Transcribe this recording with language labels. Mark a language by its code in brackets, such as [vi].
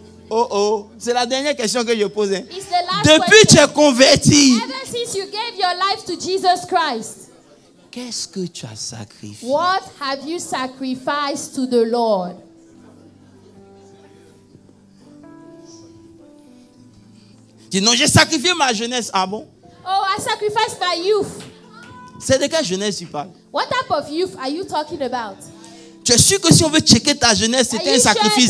[fr] Oh oh, c'est la dernière question que je pose. Hein. [en] It's the last [fr] depuis [en] question. [fr] Tu es converti. [en] Ever since you gave your life to Jesus Christ. [fr] Qu'est-ce que tu as sacrifié? [en] What have you sacrificed to the Lord? [fr] Dis non, j'ai sacrifié ma jeunesse. Ah bon? [en] Oh, I sacrificed my youth. [fr] C'est de quelle jeunesse tu parles? [en] What type of youth are you talking about? [fr] Tu es sûr que si on veut checker ta jeunesse, c'était un sacrifice